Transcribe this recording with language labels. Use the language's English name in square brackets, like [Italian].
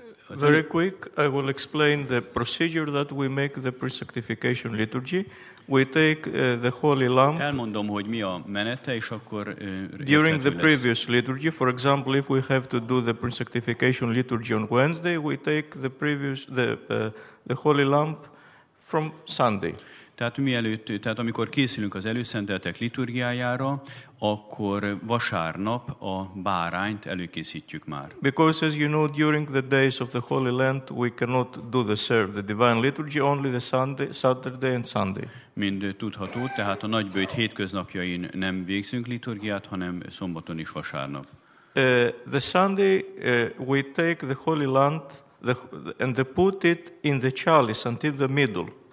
[English] very quick I will explain the procedure that we make the pre-sanctification liturgy. We take the holy lamp. [Hungarian] Elmondom, hogy mi a menete, és akkor [English] during the previous liturgy, for example, if we have to do the pre-sanctification liturgy on Wednesday, we take the previous the holy lamp from Sunday. [Hungarian] Tehát amikor készülünk az előszenteltek liturgiájára, akkor vasárnap a bárányt előkészítjük már. [English] Because as you know, during the days of the Holy Land, we cannot do the divine liturgy only the Sunday, Saturday and Sunday. [Hungarian] Mind tudható, tehát a nagybőjt hétköznapjain nem végzünk liturgiát, hanem szombaton is vasárnap. [English] The Sunday we take the Holy Land and they put it in the chalice until the middle.